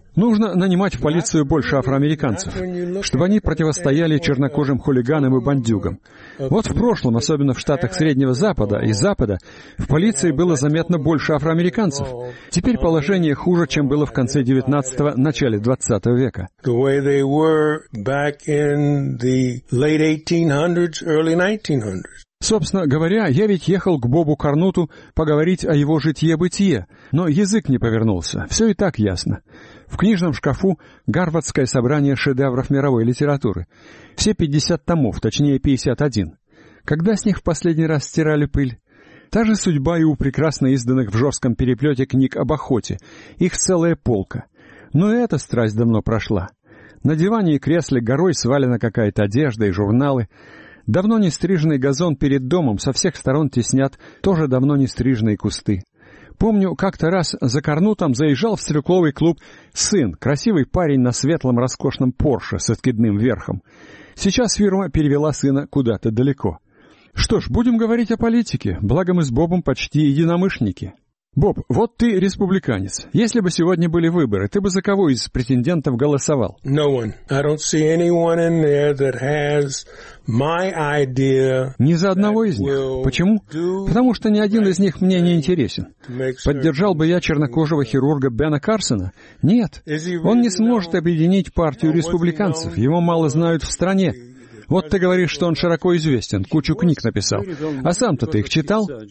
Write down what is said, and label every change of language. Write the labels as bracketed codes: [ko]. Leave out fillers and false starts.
[ru] Нужно нанимать в полицию больше афроамериканцев, чтобы они противостояли чернокожим хулиганам и бандюгам. Вот в прошлом, особенно в штатах Среднего Запада и Запада, в полиции было заметно больше афроамериканцев. Теперь положение хуже, чем было в конце 19-го, начале 20-го века. [en] The way they were back in the late 1800s, early 1900s. [ru] Собственно говоря, я ведь ехал к Бобу Карнуту поговорить о его житье-бытие, но язык не повернулся, все и так ясно. В книжном шкафу Гарвардское собрание шедевров мировой литературы. Все 50 томов, точнее 51. Когда с них в последний раз стирали пыль? Та же судьба и у прекрасно изданных в жестком переплете книг об охоте. Их целая полка. Но и эта страсть давно прошла. На диване и кресле горой свалена какая-то одежда и журналы. Давно не стриженный газон перед домом со всех сторон теснят тоже давно не стриженные кусты. Помню, как-то раз за Карнутом заезжал в стрелковый клуб сын, красивый парень на светлом роскошном Порше с откидным верхом. Сейчас фирма перевела сына куда-то далеко. Что ж, будем говорить о политике, благо мы с Бобом почти единомышленники. Боб, вот ты республиканец. Если бы сегодня были выборы, ты бы за кого из претендентов голосовал? [en] No one. I don't see anyone in there that has my idea. [ru] Ни за одного из них. Почему? Потому что ни один из них мне не интересен. Поддержал бы я чернокожего хирурга Бена Карсона? Нет. Он не сможет объединить партию республиканцев. Его мало знают в стране. Вот ты говоришь, что он широко известен, кучу книг написал. А сам-то ты их читал?